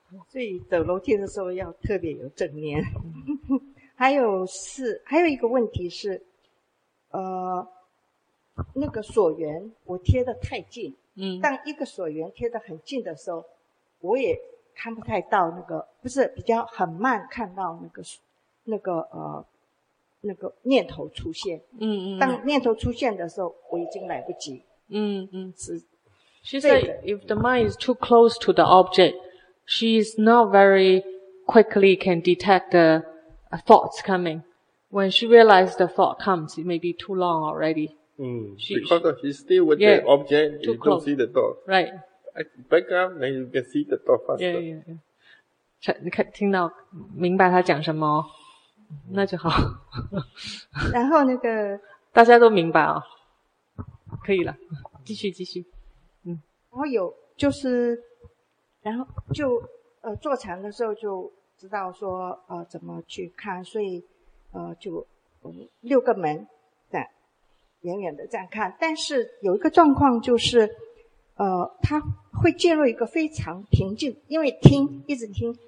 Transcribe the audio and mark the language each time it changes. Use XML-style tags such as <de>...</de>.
<zh>所以走楼梯的时候要特别有正念。还有是还有一个问题是，那个锁缘我贴得太近，嗯，当一个锁缘贴得很近的时候，我也看不太到那个，不是比较很慢看到那个念头出现，当念头出现的时候，我已经来不及，</zh> <en>She said, if the mind is too close to the object, she is not very quickly can detect the thoughts coming. When she realized the thought comes, it may be too long already. She's still with the object, too you don't see the thought. Right. Back up, then you can see the thought faster. Yeah.</en> <zh>听到明白他讲什么，那就好。然后那个大家都明白哦，可以了，继续。然后有就是，然后就坐禅的时候就知道说怎么去看，所以就六个门在远远的这样看，但是有一个状况就是他会进入一个非常平静，因为听一直听。</zh>